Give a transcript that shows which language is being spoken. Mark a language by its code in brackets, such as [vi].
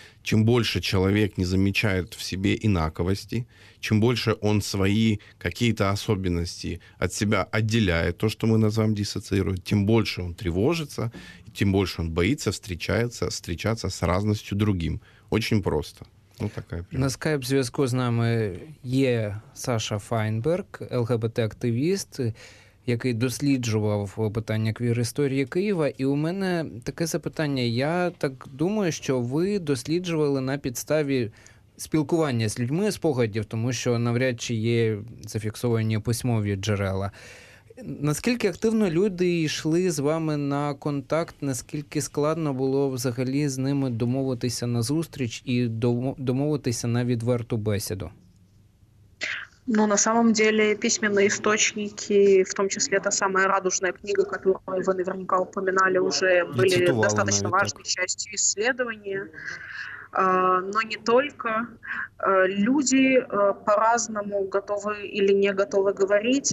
[ru] Чем больше человек не замечает в себе инаковости, чем больше он свои какие-то особенности от себя отделяет, то, что мы называем диссоциирует, тем больше он тревожится, тем больше он боится встречаться с разностью другим. Очень просто. [uk] На скайп-зв'язку з нами є Саша Файнберг, ЛГБТ-активіст, який досліджував питання квір-історії Києва. І у мене таке запитання. Я так думаю, що ви досліджували на підставі спілкування з людьми спогадів, тому що навряд чи є зафіксовані письмові джерела. Наскільки активно люди йшли з вами на контакт, наскільки складно було взагалі з ними домовитися на зустріч і домовитися на відверту бесіду? [ru] Ну, на самом деле, письменные источники, в том числе та самая радужная книга, которую вы наверняка упоминали, уже были достаточно важной частью исследования. Но не только. Люди по-разному готовы или не готовы говорить.